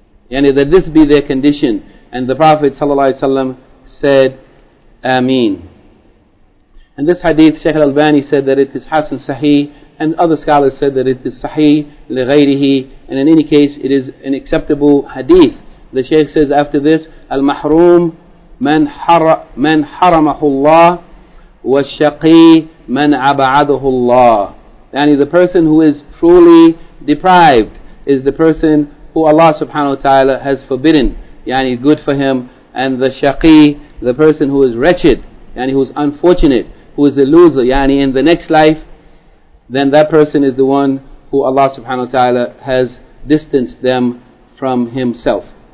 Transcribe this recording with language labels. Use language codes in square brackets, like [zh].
[en] Yani that this be their condition. And the Prophet sallallahu alayhi wa sallam said Ameen. And this hadith, Shaykh al-Albani said that it is Hasan Sahih, and other scholars said that it is Sahih li ghayrihi. And in any case, it is an acceptable hadith. The Shaykh says after this, [ar] Al-Mahroom من حرمه الله والشقي من أبعده الله. [en] يعني the person who is truly deprived is the person who Allah subhanahu wa ta'ala has forbidden يعني good for him, and the shaqi, the person who is wretched, يعني who is unfortunate, who is a loser, yani in the next life, then that person is the one who Allah subhanahu wa ta'ala has distanced them from himself.